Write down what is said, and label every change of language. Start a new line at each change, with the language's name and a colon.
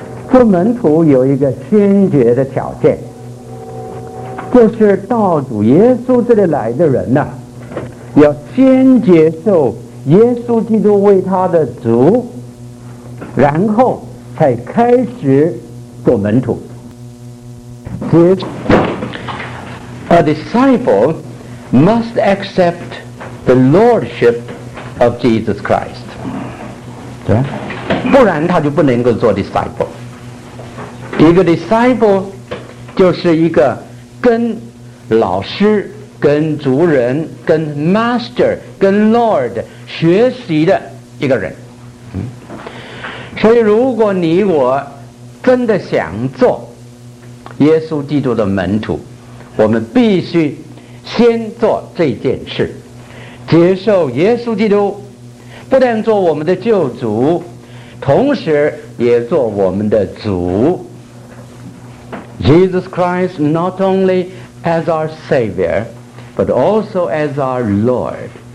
Chinese: 做门徒有一个先决的条件，就是道主耶稣这里来的人呢，要先接受耶稣基督为他的主，然后才开始做门徒。
English: A disciple must accept the lordship of Jesus Christ.
Chinese: 对，不然他就不能够做 disciple。一个 disciple 就是一个跟老师、跟主人、跟 master、跟 lord 学习的一个人。所以，如果你我真的想做耶稣基督的门徒，我们必须先做这件事，接受耶稣基督不但做我们的救主，同时也做我们的主。
English: Jesus Christ not only as our Savior but also as our Lord.